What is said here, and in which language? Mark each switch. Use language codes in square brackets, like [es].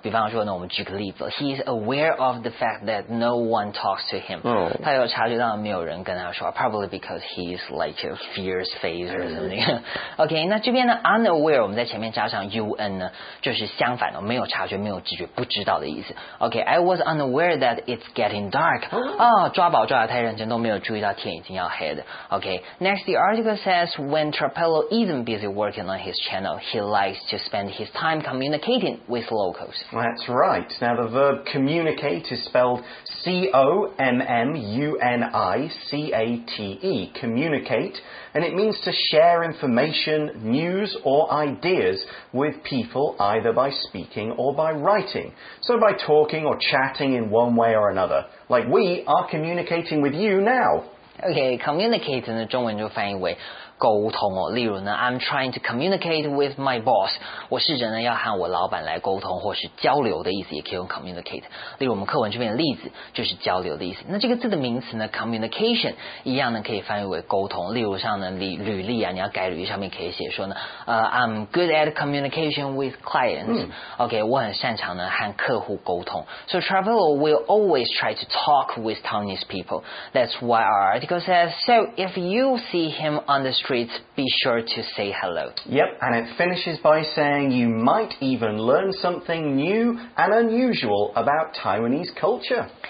[zh] 比方说呢，我们举个例子， [en] he is aware of the fact that no one talks to him. Oh. [zh] 他有察觉到没有人跟他说， [en] probably because he is like a fierce face or something. [zh] Okay, 那这边呢 unaware 我们在前面加上 un 呢，就是相反的，没有察觉，没有知觉，不知道的意思。 [en] Okay, I was unaware that it's getting dark. [zh] 啊、oh, 抓宝抓得太认真，都没有注意到天已经要黑的。 [en] Okay, next the article says when Trapello isn't busy working on his channel, he likes to spend his time communicating with locals. That's right. Now the verb communicate is spelled C-O-M-M-U-N-I-C-A-T-E, communicate, and it means to share information, news, or ideas with people either by speaking or by writing. So by talking or chatting in one way or another, like we are communicating with you now. [zh] Okay, communicate 呢中文就翻译为沟通哦。例如呢 ， [en] I'm trying to communicate with my boss， [zh] 我试着呢要和我老板来沟通或是交流的意思，也可以用 communicate。例如我们课文这边的例子就是交流的意思。那这个字的名词呢 ，communication 一样呢可以翻译为沟通。例如像呢履历啊，你要改履历上面可以写说呢， [en] I'm good at communication with clients、 [zh] 嗯。 OK， 我很擅长呢和客户沟通。 [en] So traveler will always try to talk with townies people. That's why our article says so. If you see him on the streets, be sure to say hello. Yep, and it finishes by saying you might even learn something new and unusual about Taiwanese culture.